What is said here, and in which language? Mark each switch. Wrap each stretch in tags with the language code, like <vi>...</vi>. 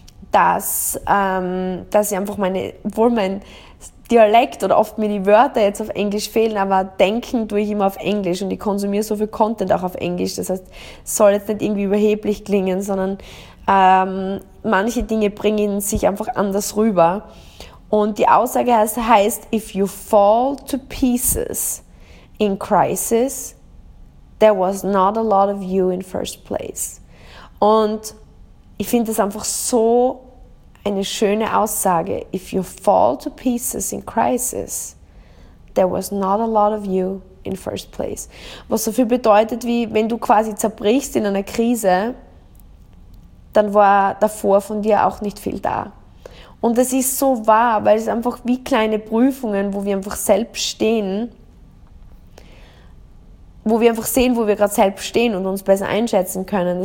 <de>Dass ich einfach meine, obwohl mein Dialekt oder oft mir die Wörter jetzt auf Englisch fehlen, aber denken tue ich immer auf Englisch und ich konsumiere so viel Content auch auf Englisch. Das heißt, es soll jetzt nicht irgendwie überheblich klingen, sondern manche Dinge bringen sich einfach anders rüber. Und die Aussage heißt,</de> <en>if you fall to pieces in crisis, there was not a lot of you in first place.</en> <de>Und ich finde das einfach so eine schöne Aussage.</de> <en>If you fall to pieces in crisis, there was not a lot of you in first place.</en> <de>Was so viel bedeutet wie, wenn du quasi zerbrichst in einer Krise, dann war davor von dir auch nicht viel da. Und das ist so wahr, weil es einfach wie kleine Prüfungen, wo wir einfach selbst stehen, wo wir einfach sehen, wo wir gerade selbst stehen und uns besser einschätzen können.</de>